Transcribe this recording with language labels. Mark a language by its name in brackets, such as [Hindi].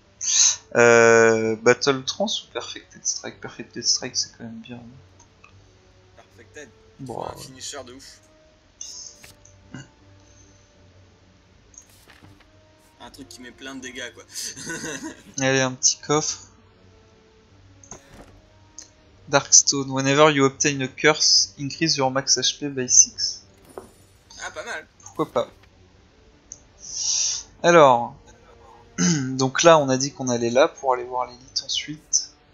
[French] Donc... Battle Trance ou Perfected Strike? Perfected Strike, c'est quand même bien. Hein. Perfected. Bon. Ouais. Un finisher de ouf. Un truc qui met plein de dégâts quoi. Allez, un petit coffre. [English] Darkstone, whenever you obtain a curse, increase your max HP by 6. [French] Ah, pas mal. Pourquoi pas. Alors, donc là, on a dit qu'on allait là pour aller voir l'élite ensuite.